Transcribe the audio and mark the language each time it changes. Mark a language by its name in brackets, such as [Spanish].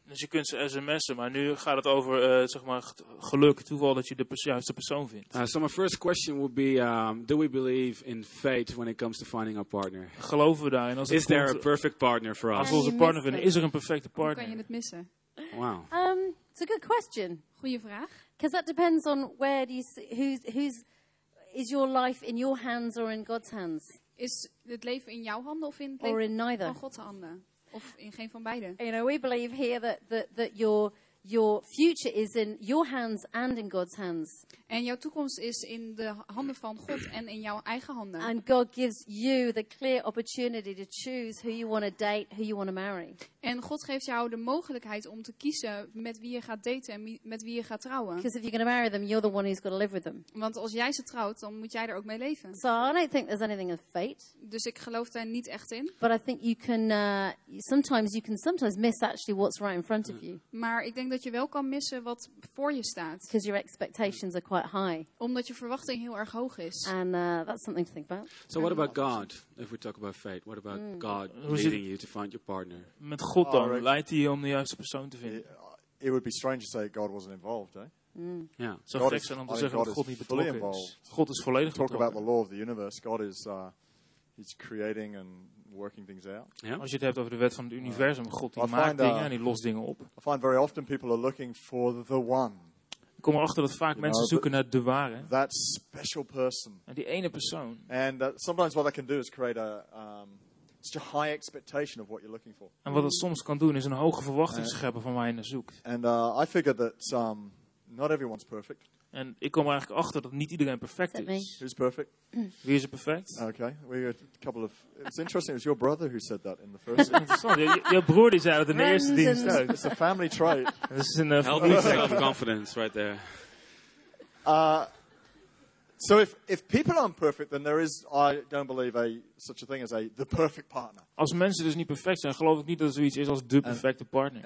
[Dutch] Dus je kunt ze sms'en, maar nu gaat het over zeg maar geluk, toeval dat je de juiste persoon vindt. [English] So my first question would be, do we believe in fate when it comes to finding our partner? [Dutch] Geloven we daarin? Als [English] is there a perfect partner for us? [Dutch] Als we onze partner vinden, is er een perfecte partner? Hoe kan je het missen? [English] Wow. It's a good question. [Dutch] Goeie vraag. [English] Because that depends on where do you see, who's is your life in your hands or in God's hands? [Dutch] Is het leven in jouw handen of in [English] or in neither? [Dutch] Van God's handen of in geen van beide? [English] You know, we believe here that your future is in your hands and in God's hands. [Dutch] En jouw toekomst is in de handen van God en in jouw eigen handen. [English] And God gives you the clear opportunity to choose who you want to date, who you want to marry. [Dutch] En God geeft jou de mogelijkheid om te kiezen met wie je gaat daten en met wie je gaat trouwen. [English] Because if you're going to marry them, you're the one who's going to live with them. [Dutch] Want als jij ze trouwt, dan moet jij er ook mee leven. [English] So I don't think there's anything in fate. [Dutch] Dus ik geloof daar niet echt in. [English] But I think you can sometimes miss actually what's right in front of you. [Dutch] Maar ik denk dat je wel kan missen wat voor je staat. [English] Because your expectations are quite high. [Dutch] Omdat je verwachting heel erg hoog is. [English] And that's something to think about. So what about God? If we talk about fate, what about God leading you to find your partner? [Dutch] Met God dan, leidt hij je om de juiste persoon te vinden? [English] It would be strange to say God wasn't involved, eh? [Dutch] Ja, zo gek zijn om te zeggen dat God niet betrokken is. God is volledig betrokken. [English] Talk about the law of the universe. God is he's creating and working things out. Yeah. [Dutch] Als je het hebt over de wet van het universum, God die maakt dingen en die lost dingen op. [English] I find very often people are looking for the one. [Dutch] Ik kom erachter dat vaak mensen zoeken naar de ware. [English] That special person. [Dutch] En die ene persoon. [English] And sometimes what I can do is create a such a high expectation of what you're looking for. [Dutch] En wat het soms kan doen is een hoge verwachting scheppen van waar je naar zoekt. [English] And I figure that not everyone's perfect. [Dutch] En ik kom eigenlijk achter dat niet iedereen perfect is. [English] Who's perfect? [Dutch] Wie is er perfect? [English] Okay, we got a couple of. It's interesting. It was your brother who said that in the first. [Dutch] Je broer die zei dat in de eerste dienst. [English] It's a family trait. This is an self-confidence right there. So if people aren't perfect, then there is, I don't believe, such a thing as the perfect partner. [Dutch] Als mensen dus niet perfect zijn, geloof ik niet dat er zoiets is als de perfecte partner.